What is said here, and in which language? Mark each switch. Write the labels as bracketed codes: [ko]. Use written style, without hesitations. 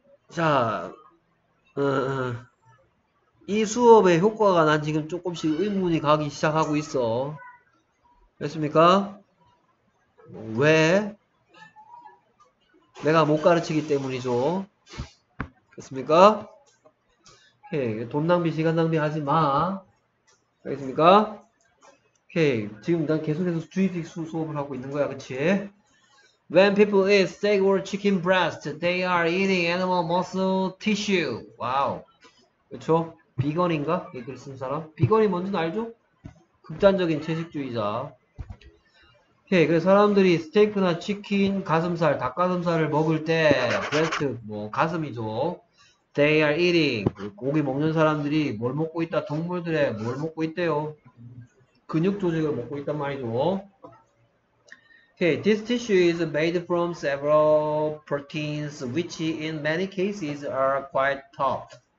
[ko] 자, 이 수업의 효과가 난 지금 조금씩 의문이 가기 시작하고 있어. 됐습니까? 왜? 내가 못 가르치기 때문이죠. 됐습니까? 오케이. 돈 낭비, 시간 낭비 하지 마. 됐습니까? 오케이. 지금 난 계속해서 주입식 수업을 하고 있는 거야. 그치? [en] When people eat steak or chicken breast, they are eating animal muscle tissue. [ko] 와우. 그쵸? 비건인가? 이글쓴 사람? 비건이 뭔지는 알죠? 극단적인 채식주의자. 오케이. 그래서 사람들이 스테이크나 치킨, 가슴살, 닭가슴살을 먹을 때, 브레스트, 뭐, 가슴이죠. [en] They are eating. [ko] 고기 먹는 사람들이 뭘 먹고 있다? 동물들의 뭘 먹고 있대요? 근육 조직을 먹고 있단 말이죠. [en] Okay, this tissue is made from several proteins, which in many cases are quite tough.